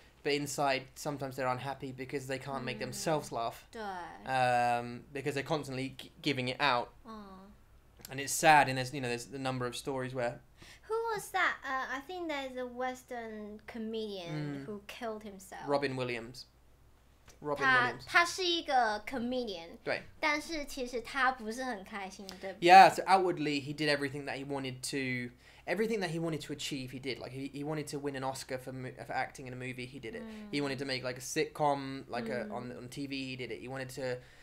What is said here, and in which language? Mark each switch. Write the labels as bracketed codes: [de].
[en] But inside, sometimes they're unhappy because they can't make themselves laugh. [zh] 对。 [en] Because they're constantly giving it out. And it's sad, and there's, you know, there's the number of stories where... Who was that? I think there's a Western comedian who killed himself. Robin Williams. [zh] 他是一个 comedian. 对。但是其实他不是很开心，对不对? [en] Yeah, so outwardly, he did everything that he wanted to... Everything that he wanted to achieve, he did. Like, he wanted to win an Oscar for acting in a movie, he did it. He wanted to make, like, a sitcom, like, on TV, he did it. He wanted to